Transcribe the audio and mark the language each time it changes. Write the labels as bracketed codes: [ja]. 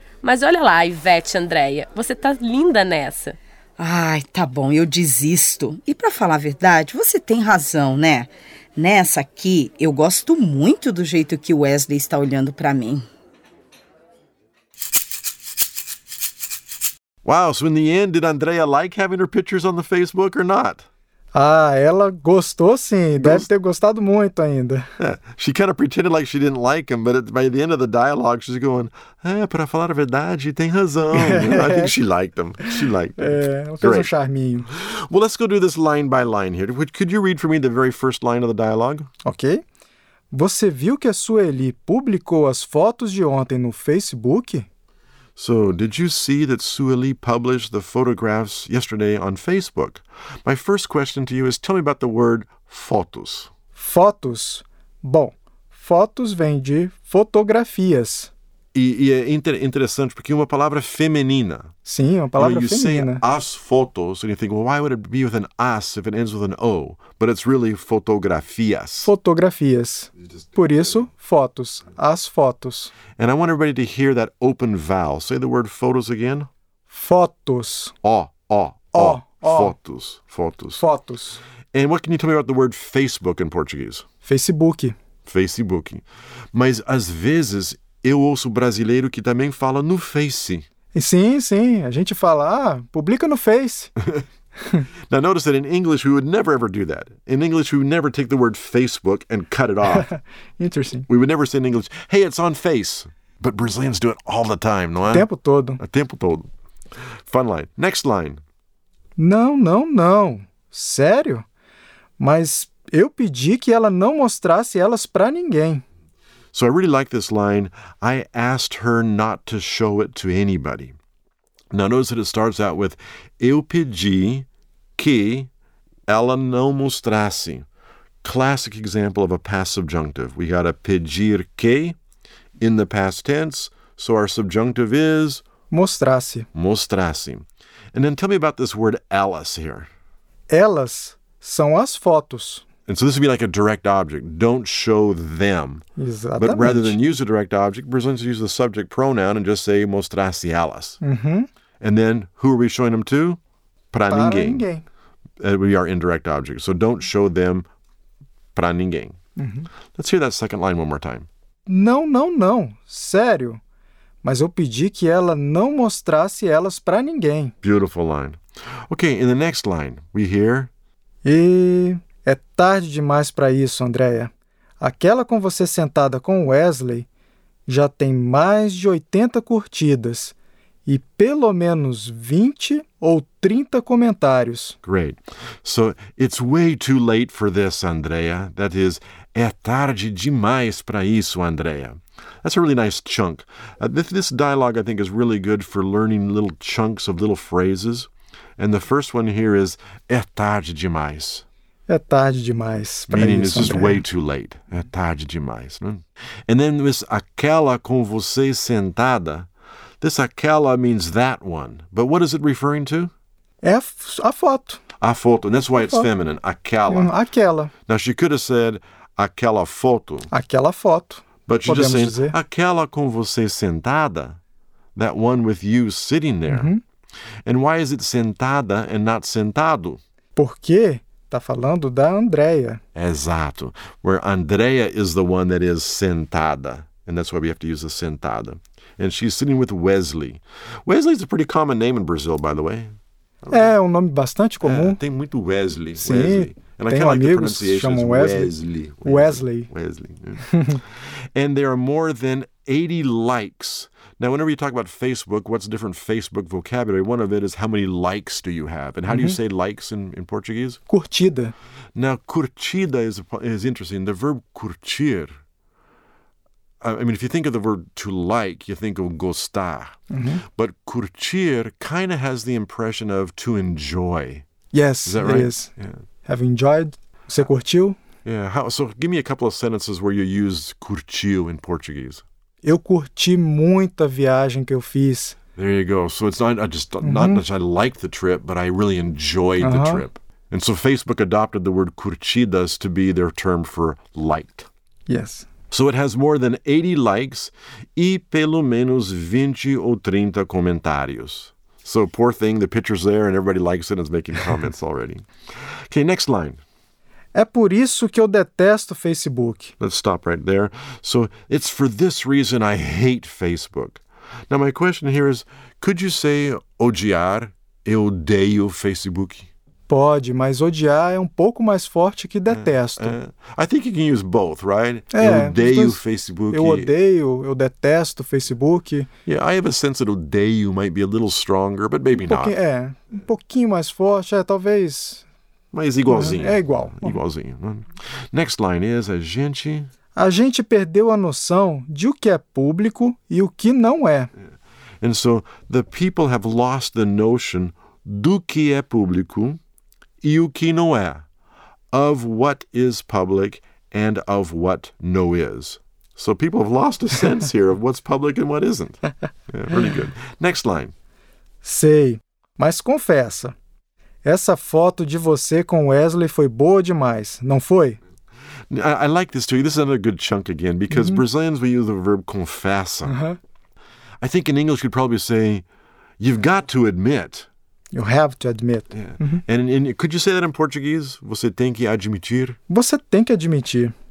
[pt] Mas olha lá, Ivete, Andréia. Você tá linda nessa. Ai, tá bom. Eu desisto. E pra falar a verdade, você tem razão, né? Nessa aqui, eu gosto muito do jeito que o Wesley está olhando pra mim. [en] Wow, so in the end, did Andrea like having her pictures on the Facebook or not? [pt] Ah, ela gostou sim. Deve ter gostado muito ainda. [en] She kind of pretended like she didn't like him, but by the end of the dialogue, she's going, [pt] para falar a verdade, tem razão. [en] I think she liked him. She liked him. [pt] Ela fez um charminho. [en] Well, let's go do this line by line here. Could you read for me the very first line of the dialogue? Okay. [pt] Você viu que a Sueli publicou as fotos de ontem no Facebook? [en] So, did you see that Sueli published the photographs yesterday on Facebook? My first question to you is, tell me about the word fotos. [pt] Fotos. Bom, fotos vem de fotografias. E é interessante, porque é uma palavra feminina. Sim, uma palavra feminina. [en] You say as fotos, and you think, well, why would it be with an as if it ends with an O? But it's really fotografias. [pt] Fotografias. Por isso, fotos. As fotos. [en] And I want everybody to hear that open vowel. Say the word fotos again. [pt] Fotos. O. Fotos. Fotos. Fotos. [en] And what can you tell me about the word Facebook in Portuguese? Facebook. [pt] Facebook. Mas, às vezes... Eu ouço brasileiro que também fala no Face. Sim. A gente fala, publica no Face. [en] Now notice that in English we would never ever do that. In English we would never take the word Facebook and cut it off. Interesting. We would never say in English, hey, it's on Face. But Brazilians do it all the time, [pt] não é? Tempo todo. [en] A tempo todo. Fun line. Next line. [pt] Não. Sério? Mas eu pedi que ela não mostrasse elas pra ninguém. [en] So I really like this line, I asked her not to show it to anybody. Now notice that it starts out with, [pt] eu pedi que ela não mostrasse. [en] Classic example of a past subjunctive. We got a [pt] pedir que [en] in the past tense, so our subjunctive is... [pt] Mostrasse. Mostrasse. [en] And then tell me about this word elas here. [pt] Elas são as fotos. [en] And so this would be like a direct object. Don't show them. [pt] Exatamente. [en] But rather than use a direct object, Brazilians use the subject pronoun and just say, [pt] mostrasse elas. Mm-hmm. [en] And then who are we showing them to? [pt] Para ninguém. [en] That would be our indirect object. So don't show them [pt] para ninguém. Mm-hmm. [en] Let's hear that second line one more time. [pt] Não. Sério. Mas eu pedi que ela não mostrasse elas para ninguém. [en] Beautiful line. Okay, in the next line, we hear... [pt] E é tarde demais para isso, Andréia. Aquela com você sentada com o Wesley já tem mais de 80 curtidas e pelo menos 20 ou 30 comentários. [en] Great. So it's way too late for this, Andrea. That is, [pt] é tarde demais para isso, Andrea. [en] That's a really nice chunk. This dialogue, I think, is really good for learning little chunks of little phrases. And the first one here is, [pt] é tarde demais. É tarde demais para isso, [en] Meaning, this is way too late. [pt] É tarde demais. Né? [en] And then this, [pt] aquela com você sentada. [en] This aquela means that one. But what is it referring to? [pt] É a foto. A foto. [en] And that's why it's feminine. [pt] Aquela. Aquela. [en] Now, she could have said, [pt] aquela foto. Aquela foto. [en] But she just said, [pt] aquela com você sentada. [en] That one with you sitting there. Uh-huh. And why is it sentada and not sentado? [pt] Porque está falando da Andrea. Exato. [en] Where Andrea is the one that is [pt] sentada. [en] And that's why we have to use a sentada. And she's sitting with Wesley. Wesley is a pretty common name in Brazil, by the way. [pt] É um nome bastante comum. Tem muito Wesley. Sim, Wesley. [en] And [pt] tem amigos que se chamam Wesley. Wesley. Wesley. Wesley. [en] And there are more than 80 likes. Now, whenever you talk about Facebook, what's different Facebook vocabulary? One of it is how many likes do you have? And how do you say likes in Portuguese? [pt] Curtida. [en] Now, curtida is interesting. The verb curtir. I mean, if you think of the word to like, you think of [pt] gostar. Mm-hmm. [en] But curtir kind of has the impression of to enjoy. Yes, is that it right? Is. Yeah. Have enjoyed? [pt] Você curtiu? [en] Yeah. So give me a couple of sentences where you use [pt] curtiu [en] in Portuguese. [pt] Eu curti muito a viagem que eu fiz. [en] There you go. So it's not, I just, not that I liked the trip, but I really enjoyed the trip. And so Facebook adopted the word curtidas to be their term for liked. Yes. So it has more than 80 likes [pt] e pelo menos 20 ou 30 comentários. [en] So poor thing, the picture's there and everybody likes it and is making comments already. Okay, next line. [pt] É por isso que eu detesto Facebook. [en] Let's stop right there. So it's for this reason I hate Facebook. Now my question here is, could you say odiar, [pt] eu odeio Facebook? Pode, mas odiar é um pouco mais forte que detesto. [en] I think you can use both, right? [pt] É, eu odeio Facebook. Eu odeio, eu detesto Facebook. [en] Yeah, I have a sense that [pt] odeio [en] might be a little stronger, but maybe not. [pt] É, um pouquinho mais forte, talvez. Mas igualzinho. É igual. Igualzinho. [en] Next line is, [pt] a gente perdeu a noção de o que é público e o que não é. [en] And so, the people have lost the notion [pt] do que é público e o que não é, [en] of what is public and of what no is. So people have lost a sense here of what's public and what isn't. Yeah, really good. Next line. [pt] Sei, mas confessa, essa foto de você com Wesley foi boa demais, não foi? [en] I like this too. This is another good chunk again, because Brazilians, we use the verb [pt] confessa. [en] I think in English you'd probably say, you've got to admit. You have to admit. Yeah. And could you say that in Portuguese? [pt] Você tem que admitir? Você tem que admitir.